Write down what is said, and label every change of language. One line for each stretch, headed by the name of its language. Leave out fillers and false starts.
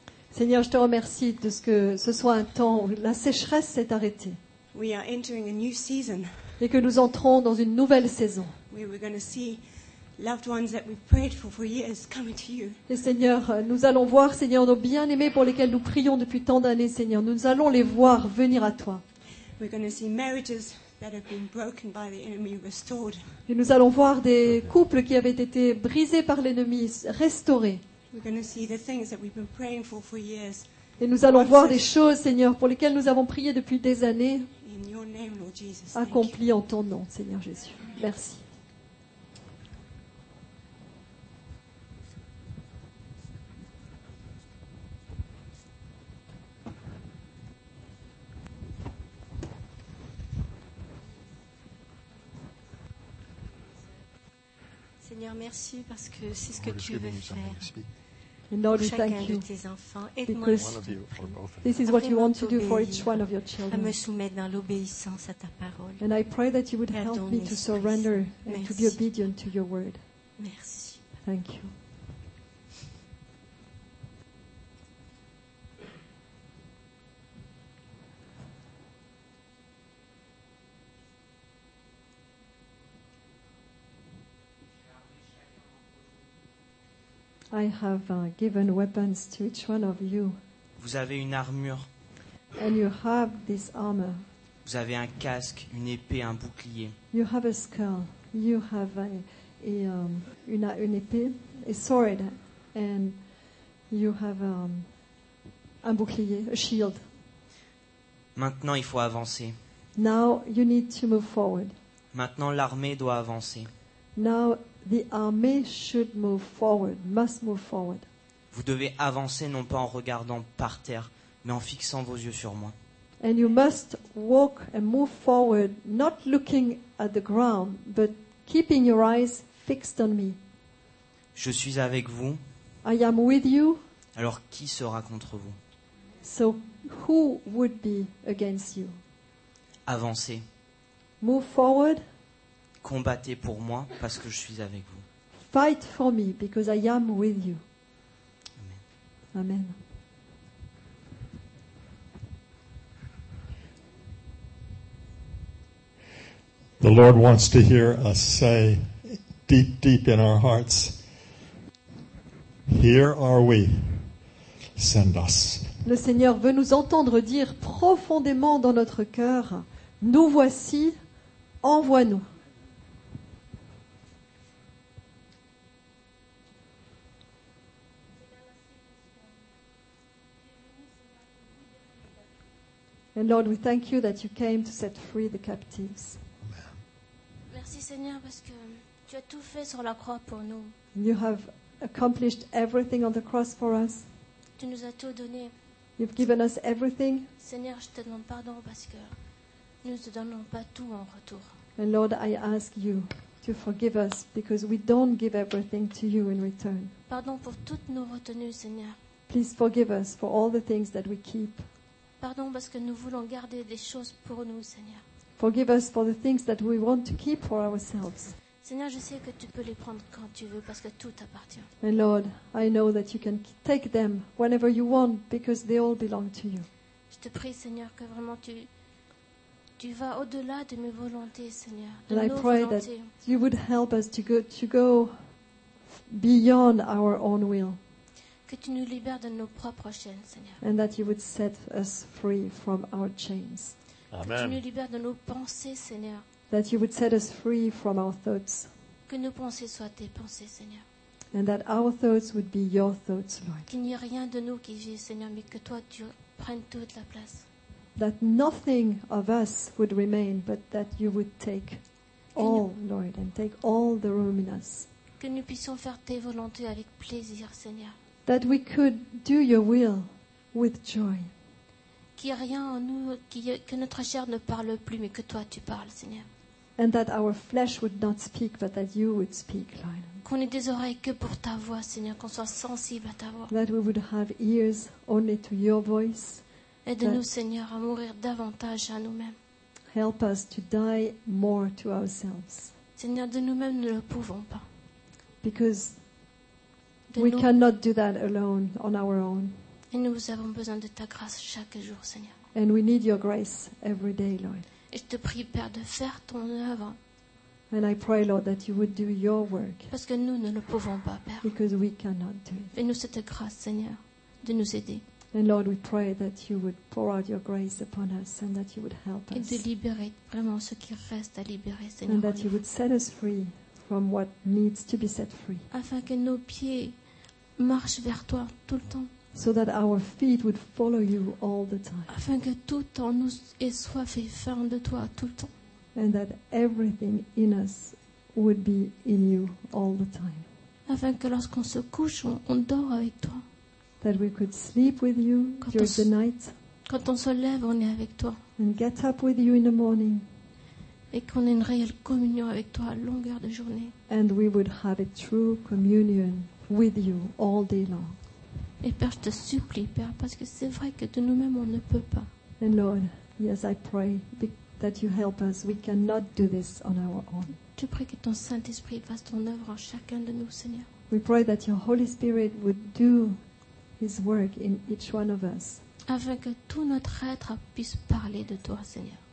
French: Seigneur, je te remercie de ce que ce soit un temps où la sécheresse s'est arrêtée.
English: We are entering a new season.
French: Et que nous entrons dans une nouvelle saison.
English: We're going to see loved ones that we've prayed for years coming to you.
French: Et Seigneur, nous allons voir, Seigneur, nos bien-aimés pour lesquels nous prions depuis tant d'années, Seigneur. Nous allons les voir venir à toi.
English: We're going to see marriages that have been broken by the enemy restored.
French: Et nous allons voir des couples qui avaient été brisés par l'ennemi restaurés.
English: We're going to see the things that we've been praying for years.
French: Et nous allons voir des choses, Seigneur, pour lesquelles nous avons prié depuis des années.
English: In your name, Lord Jesus.
French: Accomplies en ton nom, Seigneur Jésus. Merci. Seigneur, merci parce que c'est ce que tu veux faire.
English: And Lord, we thank you because this is what you want to do for each one of your children.
French: À me soumettre dans l'obéissance à ta parole.
English: And I pray that you would help me to surrender and to be obedient to your word.
French: Merci.
English: Thank you. I have given weapons to each one of you.
French: Vous avez une armure.
English: And you have this armor.
French: Vous avez un casque, une épée, un bouclier.
English: You have a skull. You have
French: une épée,
English: a sword, and you have
French: un bouclier,
English: a shield.
French: Maintenant, il faut avancer.
English: Now you need to move forward.
French: Maintenant, l'armée doit avancer.
English: Now the army should move forward, must move forward.
French: Vous devez avancer non pas en regardant par terre, mais en fixant vos yeux sur moi.
English: And you must walk and move forward, not looking at the ground, but keeping your eyes fixed on me.
French: Je suis avec vous.
English: I am with you.
French: Alors qui sera contre vous?
English: So who would be against you?
French: Avancez.
English: Move forward.
French: Combattez pour moi parce que je suis avec vous.
English: Fight for me because I am with you. Amen. Amen. The Lord wants to hear us say deep, deep in our hearts, here are we, send us.
French: Le Seigneur veut nous entendre dire profondément dans notre cœur, nous voici, envoie-nous.
English: And Lord, we thank you that you came to set free the captives.
French: Merci Seigneur parce que tu as tout fait sur la croix pour nous.
English: You have accomplished everything on the cross for us.
French: Tu nous as tout donné.
English: You've given us everything.
French: Seigneur, je te demande pardon parce que nous ne te donnons pas tout en retour.
English: And Lord, I ask you to forgive us because we don't give everything to you in return.
French: Pardon pour toutes nos retenues, Seigneur.
English: Please forgive us for all the things that we keep.
French: Pardon parce que nous voulons garder des choses pour nous, Seigneur.
English: Forgive us for the things that we want to keep for ourselves.
French: Seigneur, je sais que tu peux les prendre quand tu veux parce que tout t'appartient.
English: And Lord, I know that you can take them whenever you want because they all belong to you.
French: Je te prie, Seigneur, que vraiment tu vas au-delà de mes volontés, Seigneur, de
English: and
French: nos
English: I pray
French: volontés.
English: That you would help us to go beyond our own will.
French: Que tu nous libères de nos propres chaînes, Seigneur.
English: And that you would set us free from our chains. Amen.
French: Que tu nous libères de nos pensées, Seigneur.
English: That you would set us free from our thoughts.
French: Que nos pensées soient tes pensées, Seigneur.
English: And that our thoughts would be your thoughts, Lord.
French: Qu'il n'y ait rien de nous qui vive, Seigneur, mais que toi, tu prennes toute la place.
English: That nothing of us would remain, but that you would take all, Lord, and take all the room in us.
French: Que nous puissions faire tes volontés avec plaisir, Seigneur.
English: That we could do your will with joy.
French: Qu'il n'y a rien en nous, que notre chair ne parle plus, mais que toi tu parles, Seigneur.
English: And that our flesh would not speak, but that you would speak, Lord.
French: Qu'on ait des oreilles que pour ta voix, Seigneur, qu'on soit sensible à ta voix.
English: That we would have ears only to your voice.
French: Aide-nous, Seigneur, à mourir davantage à nous-mêmes.
English: Help us to die more to ourselves.
French: Seigneur, de nous-mêmes, nous ne le pouvons pas.
English: Because we cannot do that alone, on our own.
French: Et nous avons besoin de ta grâce chaque jour, Seigneur.
English: And we need your grace every day, Lord.
French: Et je te prie, Père, de faire ton œuvre.
English: And I pray, Lord, that you would do your work.
French: Parce que nous ne le pouvons pas, Père.
English: Because we cannot do it.
French: Fais-nous cette grâce, Seigneur, de nous aider.
English: And Lord, we pray that you would pour out your grace upon us and that you would help us.
French: Et de libérer vraiment ce qui reste à libérer, Seigneur.
English: And that you would set us free from what needs to be set free.
French: Afin que nos pieds marchent vers toi tout le temps.
English: So that our feet would follow you all the time.
French: Afin que tout en nous ait soif et faim de toi tout le temps.
English: And that everything in us would be in you all the time.
French: Afin que lorsqu'on se couche, on dort avec toi.
English: That we could sleep with you
French: quand
English: during the night.
French: Quand on se lève, on est avec toi.
English: And get up with you in the morning.
French: Et qu'on ait une réelle communion avec toi à longueur de journée.
English: And we would have a true communion with you all day long.
French: Et Père, je te supplie, Père, parce que c'est vrai que de nous-mêmes, on ne peut pas.
English: And Lord, yes, I pray that you help us. We cannot do this on our own.
French: Je prie que ton Saint-Esprit fasse ton œuvre en chacun de nous, Seigneur.
English: We pray that your Holy Spirit would do his work in each one of us.
French: Afin que tout notre être puisse parler de toi, Seigneur.